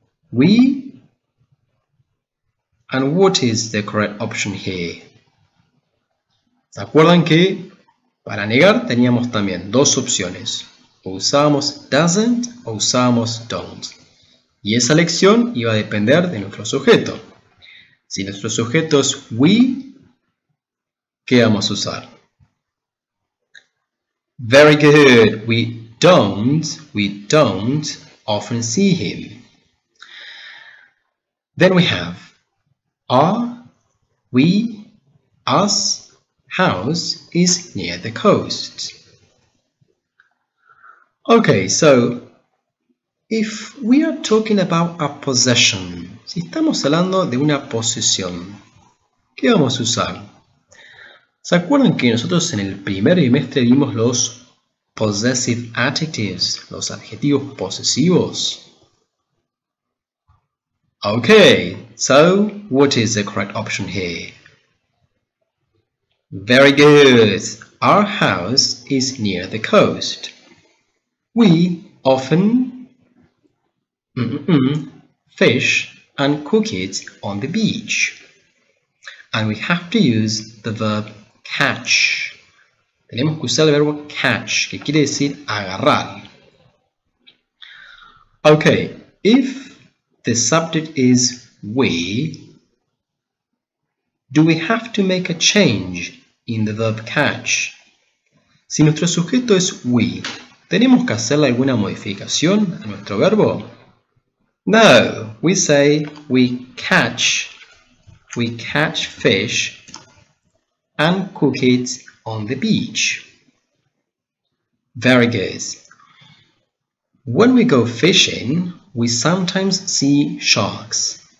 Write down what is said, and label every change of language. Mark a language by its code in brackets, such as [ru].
[en] We, and what is the correct option here? [es] ¿Se acuerdan que para negar teníamos también dos opciones? O usábamos doesn't o usábamos don't. Y esa elección iba a depender de nuestro sujeto. Si nuestro sujeto es we, ¿qué vamos a usar? Very good. We don't often see him. Then we have are, we, us, house is near the coast. [en] Okay, so if we are talking about a possession, [es] si estamos hablando de una posesión, ¿qué vamos a usar? ¿Se acuerdan que nosotros en el primer trimestre vimos los possessive adjectives, los adjetivos posesivos? [en] Okay, so what is the correct option here? Very good. Our house is near the coast. We often fish and cook it on the beach. And we have to use the verb catch. [es] Tenemos que usar el verbo catch, que quiere decir agarrar. [en] Okay, if the subject is we, do we have to make a change in the verb catch? [es] Si nuestro sujeto es we, ¿tenemos que hacer alguna modificación a nuestro verbo? [en] No, we say we catch fish and cook it on the beach. Very good. When we go fishing, we sometimes see sharks.